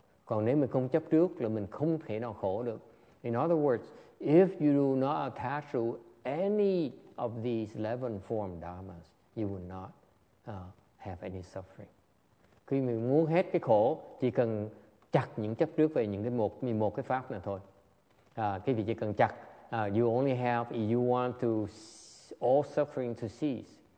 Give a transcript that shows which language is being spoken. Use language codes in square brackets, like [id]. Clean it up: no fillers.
[vi] Còn nếu mình không chấp trước là mình không thể nào khổ được. [en] In other words, if you do not attach to any of these 11 form dharmas, you will not have any suffering. [vi] Khi mình muốn hết cái khổ, chỉ cần chặt những chấp trước về những cái 11 cái pháp này thôi. Cái vị chỉ cần chặt. [en] You only have, if you want to all suffering to cease,